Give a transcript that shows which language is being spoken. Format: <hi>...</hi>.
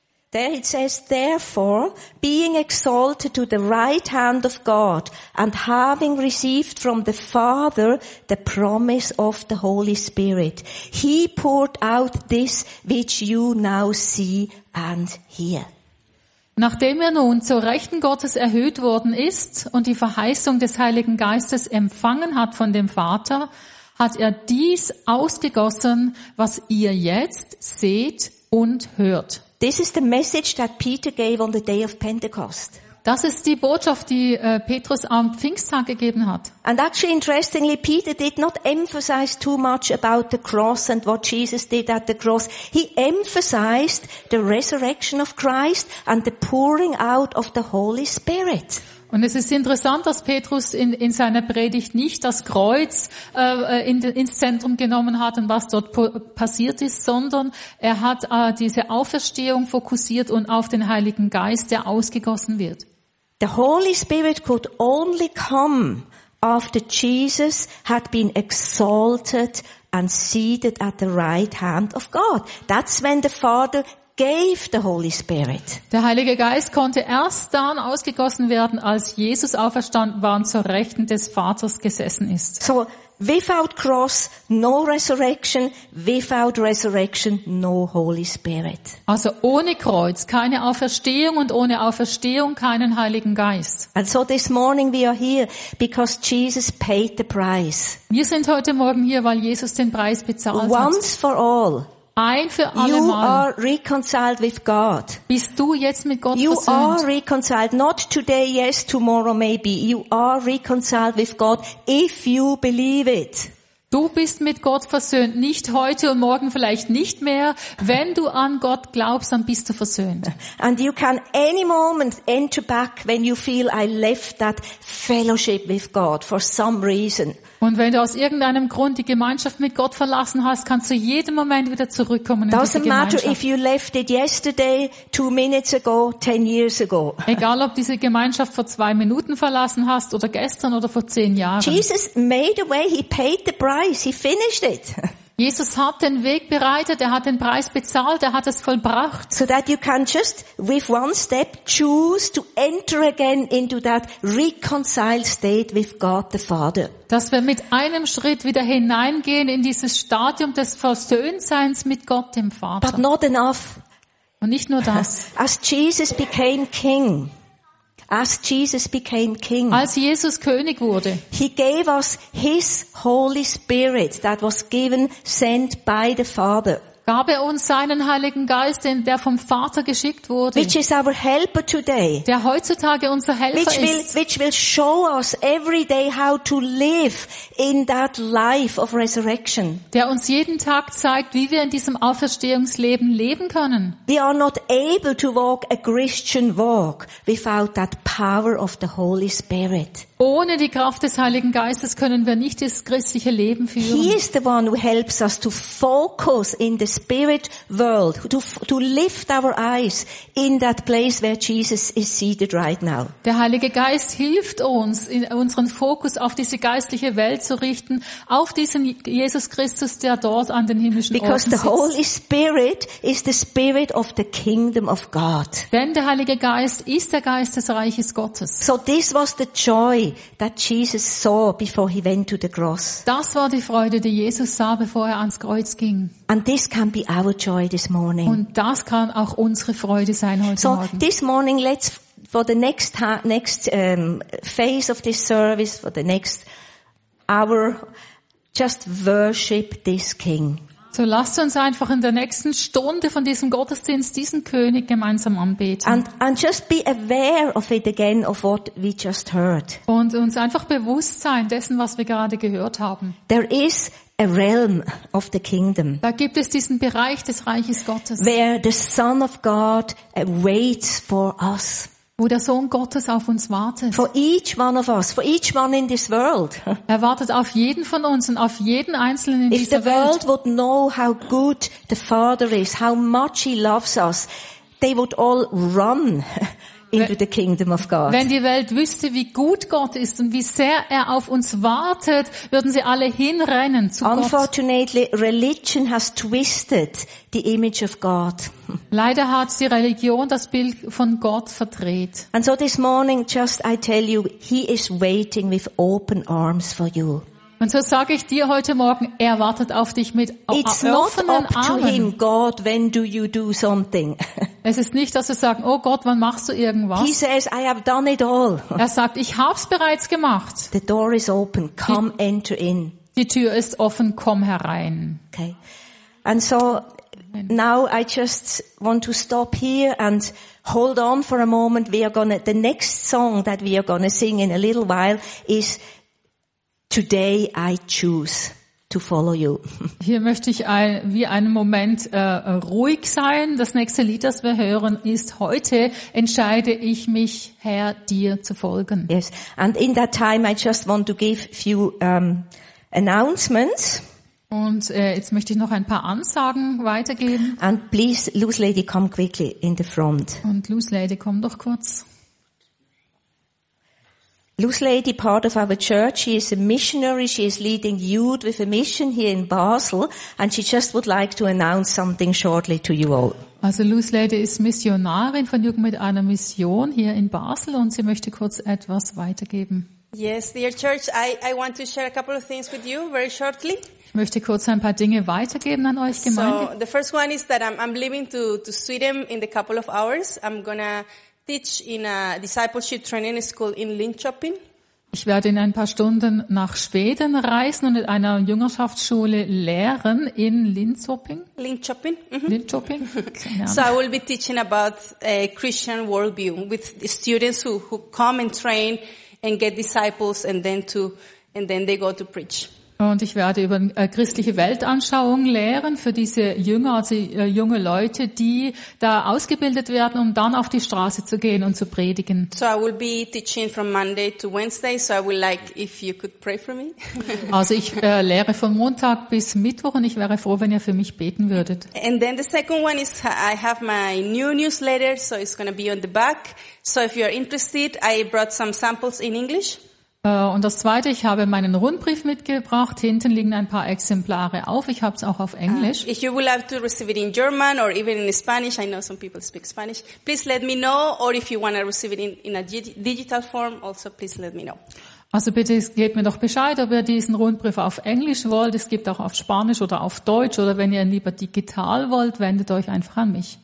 <en>There it says, therefore, being exalted to the right hand of God and having received from the Father the promise of the Holy Spirit, he poured out this which you now see and hear.</en> <de>Nachdem er nun zur Rechten Gottes erhöht worden ist und die Verheißung des Heiligen Geistes empfangen hat von dem Vater, hat er dies ausgegossen, was ihr jetzt seht und hört.</de> <en>This is the message that Peter gave on the day of Pentecost.</en> <de>Das ist die Botschaft, die Petrus am Pfingsttag gegeben hat.</de> <en>And actually, interestingly, Peter did not emphasize too much about the cross and what Jesus did at the cross. He emphasized the resurrection of Christ and the pouring out of the Holy Spirit.</en> <de>Und es ist interessant, dass Petrus in seiner Predigt nicht das Kreuz ins Zentrum genommen hat und was dort passiert ist, sondern er hat diese Auferstehung fokussiert und auf den Heiligen Geist, der ausgegossen wird.</de> <en>The Holy Spirit could only come after Jesus had been exalted and seated at the right hand of God. That's when the Father gave the Holy Spirit.</en> <de>Der Heilige Geist konnte erst dann ausgegossen werden, als Jesus auferstanden war und zur Rechten des Vaters gesessen ist.</de> <en>So, without cross, no resurrection, without resurrection, no Holy Spirit.</en> <de>Also ohne Kreuz keine Auferstehung und ohne Auferstehung keinen Heiligen Geist.</de> <en>And so this morning we are here because Jesus paid the price.</en> <de>Wir sind heute Morgen hier, weil Jesus den Preis bezahlt hat.</de> <en>Once for all.</en> <de>Ein für alle you Mal.</de> <en>Are reconciled with God.</en> <de>Bist du jetzt mit Gott you versöhnt?</de> <en>Are reconciled, not today, yes, tomorrow, maybe. You are reconciled with God if you believe it.</en> <de>Du bist mit Gott versöhnt, nicht heute und morgen vielleicht nicht mehr. Wenn du an Gott glaubst, dann bist du versöhnt.</de> <en>And you can any moment enter back when you feel I left that fellowship with God for some reason.</en> <de>Und wenn du aus irgendeinem Grund die Gemeinschaft mit Gott verlassen hast, kannst du jeden Moment wieder zurückkommen in diese Gemeinschaft.</de> <en>Doesn't matter if you left it yesterday, 2 minutes ago, 10 years ago.</en> <de>Egal, ob diese Gemeinschaft vor 2 Minuten verlassen hast oder gestern oder vor 10 Jahren.</de> <en>Jesus made a way, he paid the price, he finished it.</en> <de>Jesus hat den Weg bereitet, er hat den Preis bezahlt, er hat es vollbracht.</de> <en>So that you can just with one step choose to enter again into that reconciled state with God the Father.</en> <de>Dass wir mit einem Schritt wieder hineingehen in dieses Stadium des Versöhntseins mit Gott dem Vater.</de> <en>But not enough.</en> <de>Und nicht nur das.</de> <en>As Jesus became king. As Jesus became king,</en> <de>als Jesus König wurde,</de> <en>he gave us his Holy Spirit that was given, sent by the Father.</en> <de>Gab er uns seinen Heiligen Geist, den der vom Vater geschickt wurde,</de> <en>which is our helper today,</en> <de>der heutzutage unser Helfer</de> <en>which will,</en> <de>ist,</de> <en>which will show us every day how to live in that life of resurrection,</en> <de>der uns jeden Tag zeigt, wie wir in diesem Auferstehungsleben leben können.</de> <en>We are not able to walk a Christian walk without that power of the Holy Spirit.</en> <de>Ohne die Kraft des Heiligen Geistes können wir nicht das christliche Leben führen.</de> <en>He is the one who helps us to focus in the spirit world, to lift our eyes in that place where Jesus is seated right now.</en> <de>Der Heilige Geist hilft uns, in unseren Fokus auf diese geistliche Welt zu richten, auf diesen Jesus Christus, der dort an den himmlischen Orten sitzt.</de> <en>Because the Holy Spirit is the spirit of the kingdom of God.</en> <de>Denn der Heilige Geist ist der Geist des Reiches Gottes.</de> <en>So this was the joy that Jesus saw before he went to the cross.</en> <de>Das war die Freude, die Jesus sah, bevor er ans Kreuz ging.</de> <en>And this can be our joy this morning.</en> <de>Und das kann auch unsere Freude sein heute so Morgen.</de> <en>So this morning, let's for the next phase of this service, for the next hour, just worship this King.</en> <de>So lasst uns einfach in der nächsten Stunde von diesem Gottesdienst diesen König gemeinsam anbeten.</de> <en>And just be aware of it again, of what we just heard.</en> <de>Und uns einfach bewusst sein dessen, was wir gerade gehört haben.</de> <en>There is a realm of the kingdom.</en> <de>Da gibt es diesen Bereich des Reiches Gottes.</de> <en>Where the Son of God waits for us.</en> <de>Wo der Sohn Gottes auf uns wartet.</de> <en>For each one of us, for each one in this world.</en> <de>Er wartet auf jeden von uns und auf jeden einzelnen in dieser Welt.</de> <en>If the world would know how good the Father is, how much he loves us, they would all run into the kingdom of God.</en> <de>Wenn die Welt wüsste, wie gut Gott ist und wie sehr er auf uns wartet, würden sie alle hinrennen zu Gott.</de> <en>Unfortunately, religion has twisted the image of God.</en> <de>Leider hat die Religion das Bild von Gott verdreht.</de> <en>And so this morning, just I tell you, he is waiting with open arms for you.</en> <de>Und so sage ich dir heute Morgen, er wartet auf dich mit offenen Armen. Es ist nicht, dass wir sagen, oh Gott, wann machst du irgendwas?</de> <en>He says, I have done it all.</en> <de>Er sagt, ich habe es bereits gemacht.</de> <en>The door is open. Come, enter in.</en> <de>Die Tür ist offen, komm herein.</de> <en>Okay. And so now I just want to stop here and hold on for a moment. We are gonna, the next song that we are gonna sing in a little while is Today I choose to follow you.</en> <de>Hier möchte ich einen Moment ruhig sein. Das nächste Lied, das wir hören, ist heute entscheide ich mich, Herr, dir zu folgen.</de> <en>Yes, and in that time I just want to give few announcements.</en> <de>Und jetzt möchte ich noch ein paar Ansagen weitergeben.</de> <en>And please, Loose Lady, come quickly in the front.</en> <de>Und Loose Lady, komm doch kurz.</de> <en>Loose Lady, part of our church, she is a missionary, she is leading youth with a mission here in Basel, and she just would like to announce something shortly to you all.</en> <de>Also Loose Lady ist Missionarin von Jugend mit einer Mission hier in Basel und sie möchte kurz etwas weitergeben.</de> <en>Yes, dear church, I want to share a couple of things with you very shortly.</en> <de>Ich möchte kurz ein paar Dinge weitergeben an euch Gemeinde.</de> <en>So, the first one is that I'm leaving to Sweden in a couple of hours. I'm gonna teach in a discipleship training school in Linköping.</en> <de>Ich werde in ein paar Stunden nach Schweden reisen und in einer Jüngerschaftsschule lehren in Linköping. Linköping. Mm-hmm. Linköping.</de> <en>So I will be teaching about a Christian worldview with the students who come and train and get disciples and then they go to preach.</en> <de>Und ich werde über christliche Weltanschauung lehren für diese Jünger, also junge Leute, die da ausgebildet werden, um dann auf die Straße zu gehen und zu predigen.</de> <en>So I will be teaching from Monday to Wednesday, so I would like if you could pray for me.</en> <de>Also ich lehre von Montag bis Mittwoch und ich wäre froh, wenn ihr für mich beten würdet.</de> <en>And then the second one is I have my new newsletter, so it's going to be on the back. So if you are interested, I brought some samples in English.</en> <de>Und das Zweite, ich habe meinen Rundbrief mitgebracht. Hinten liegen ein paar Exemplare auf. Ich habe es auch auf Englisch.</de> <en>If you would like to receive it in German or even in Spanish, I know some people speak Spanish. Please let me know. Or if you want to receive it in a digital form, also please let me know.</en> <de>Also bitte gebt mir doch Bescheid, ob ihr diesen Rundbrief auf Englisch wollt. Es gibt auch auf Spanisch oder auf Deutsch. Oder wenn ihr ihn lieber digital wollt, wendet euch einfach an mich.</de>